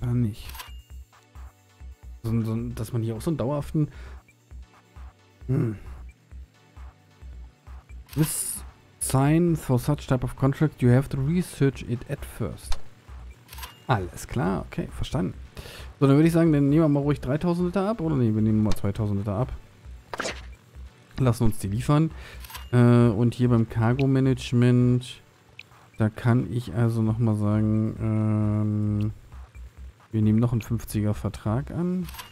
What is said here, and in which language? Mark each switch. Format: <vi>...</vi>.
<de>Nicht. Dass man hier auch so einen dauerhaften.</de> <en>This sign for such type of contract, you have to research it at first.</en> <de>Alles klar, okay, verstanden. So, dann würde ich sagen, dann nehmen wir mal ruhig 3000 Liter ab. Oder nee, wir nehmen mal 2000 Liter ab. Lassen uns die liefern. Und hier beim Cargo Management, da kann ich also nochmal sagen, wir nehmen noch einen 50er Vertrag an.</de>